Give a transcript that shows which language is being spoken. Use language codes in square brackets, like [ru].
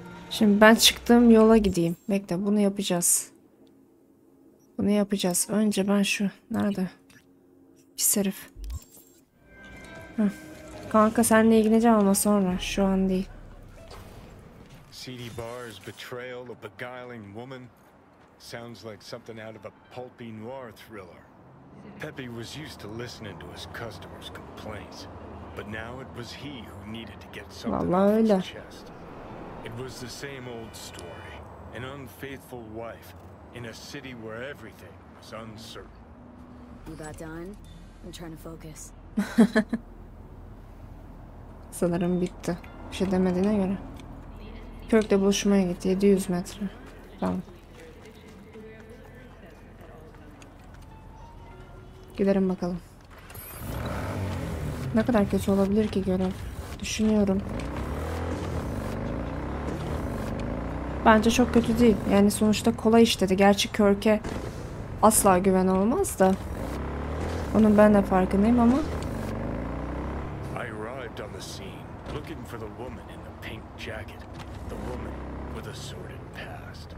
[tr] Şimdi ben çıktığım yola gideyim. Bekle, bunu yapacağız. Bunu yapacağız. Önce ben şu, nerede? Pis herif. Heh. Kanka seninle ilgileneceğim ama sonra, şu an değil. [en] CD Barr's betrayal of a beguiling woman sounds like something out of a pulpy noir thriller. Pepe was used to listening to his customers' complaints, but now it was he who needed to get something off his chest. It was the same old story, an unfaithful wife in a city where everything was uncertain. You got done? I'm trying to focus. [tr] Sanırım bitti. Bir şey demediğine göre. Kirk'le buluşmaya gitti. 700 metre. Tamam. Gidelim bakalım. Ne kadar kötü olabilir ki görev? Düşünüyorum. Bence çok kötü değil. Yani sonuçta kolay işledi. Gerçi Kirk'e asla güven olmaz da. Onun ben de farkındayım ama. [en] I arrived on the scene, looking for the woman in the pink jacket. The woman with a sordid past.